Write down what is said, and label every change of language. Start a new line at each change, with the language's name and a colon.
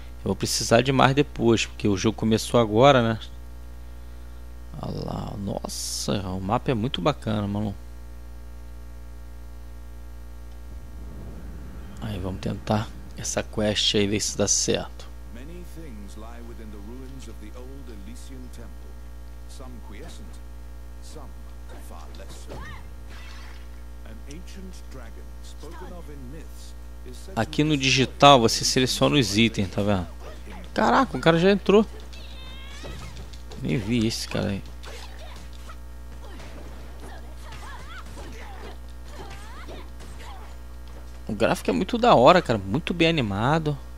Portuguese: Eu vou precisar de mais depois, porque o jogo começou agora, né? Olha lá, nossa, o mapa é muito bacana, mano. Aí vamos tentar essa quest aí, ver se dá certo.
English: Many things lie within the ruins of the old Elysian temple. Some quiescent, some far less. An ancient dragon spoken of in myths.
Portuguese: Aqui no digital você seleciona os itens, tá vendo? Caraca, o cara já entrou. Nem vi esse cara aí. O gráfico é muito da hora, cara. Muito bem animado.